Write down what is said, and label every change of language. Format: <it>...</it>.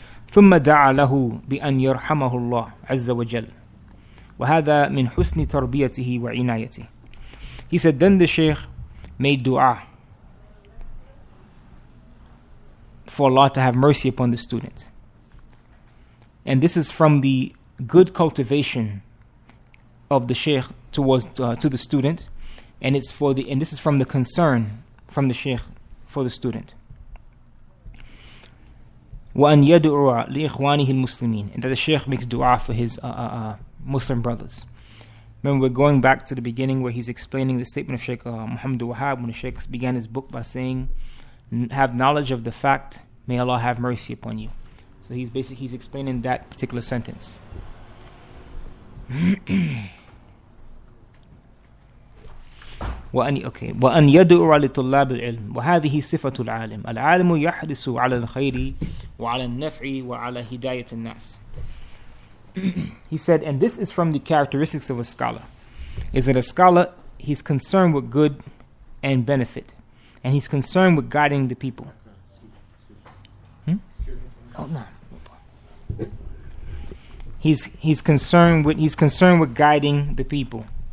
<ar>ثم دعا له بأن يرحمه الله عز وجل وهذا من حسن تربيته وعنايته.</ar> <en>He said, then the Shaykh made dua for Allah to have mercy upon the student. And this is from the good cultivation of the Shaykh towards to the student, and it's for the, and this is from the concern from the Shaykh for the student.</en> <ar>وَأَنْ يَدْعُوَ لِإِخْوَانِهِ الْمُسْلِمِينَ,</ar> <en>and that the Shaykh makes dua for his Muslim brothers. Remember, we're going back to the beginning where he's explaining the statement of Shaykh Muhammad Wahhab, when the Shaykh began his book by saying, have knowledge of the fact, may Allah have mercy upon you. So he's explaining that particular sentence.</en> <ar>وأن يدعو لطلاب العلم وهذه صفة العالم العالم يحرص على الخير وعلى النفع وعلى هداية الناس.</ar> <en>He said, and this is from the characteristics of a scholar, is that a scholar, he's concerned with good and benefit, and he's concerned with guiding the people. He's concerned with guiding the people.</en>